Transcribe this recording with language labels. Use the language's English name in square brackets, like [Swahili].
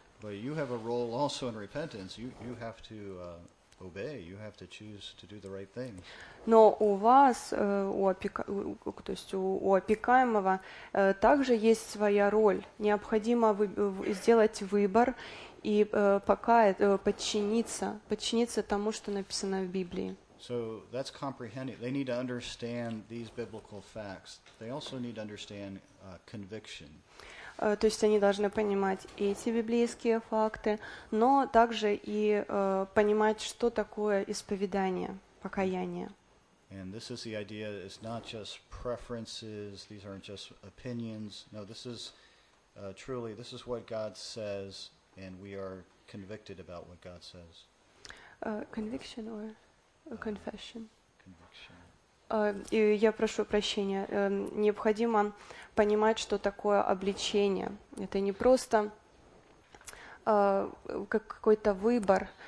[Russian] Но у вас есть роль также в репентансе. Вы должны... Obey. [English] You have to choose to do the right thing. [Russian] Но у вас, то есть у опекаемого, также есть своя роль. Необходимо сделать выбор и подчиниться тому, что написано в Библии. [English] So that's comprehending. They need to understand these biblical facts. They also need to understand conviction. [Russian] То есть они должны понимать эти библейские факты, но также и понимать, что такое исповедание, покаяние. [English] And this is the idea, it's not just preferences, these aren't just opinions. No, this is truly, this is what God says, and we are convicted about what God says. Conviction or confession? Conviction. [Russian] И я прошу прощения, необходимо понимать, что такое обличение. Это не просто как какой-то выбор.